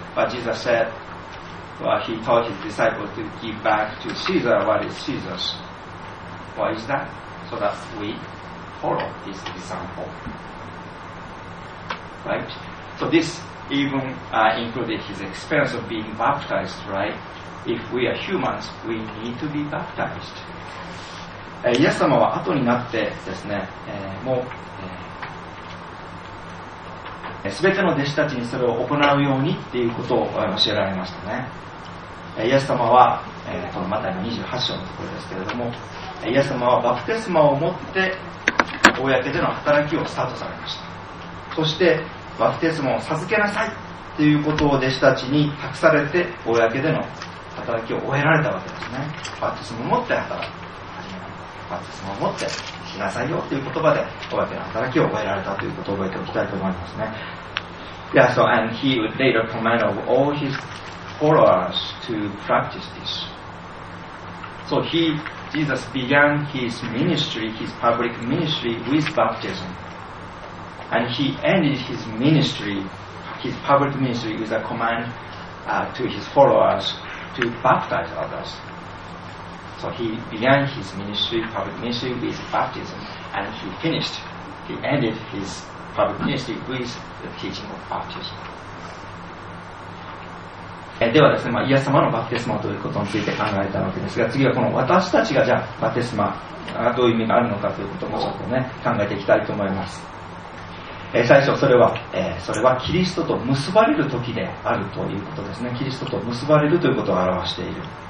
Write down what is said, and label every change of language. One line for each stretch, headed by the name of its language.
English: But Jesus said, he taught his disciples to give back to Caesar what is Caesar's. Why is that? So that we follow his example. Right? So this even included his experience of being baptized, right? If we are humans, we need to be baptized.
Japanese: イエス様は後になってですね、もう、全ての弟子たちにそれを行うようにっていうことを教えられましたね。イエス様は、このマタイの28章のところですけれども、イエス様はバプテスマを持って公での働きをスタートされました。そしてバプテスマを授けなさいっていうことを弟子たちに託されて公での働きを終えられたわけですね。バプテスマを持って働く、バプテスマを持ってしなさいよという言葉で公の働きを覚えられたということを覚えておきたいと思いますね。
English: Yeah, so and he would later command of all his followers to practice this. So he, Jesus began his ministry, his public ministry with baptism. And he ended his ministry, his public ministry with a command to his followers to baptize others. So he began his ministry, public ministry with baptism, and he finished, he ended his public ministry with the teaching of baptism.
Japanese: ではですね、まあ、イエス様のバプテスマということについて考えたわけですが、次はこの私たちがじゃあバプテスマがどういう意味があるのかということをちょっとね、考えていきたいと思います。最初それはキリストと結ばれる時であるということですね。キリストと結ばれるということを表している。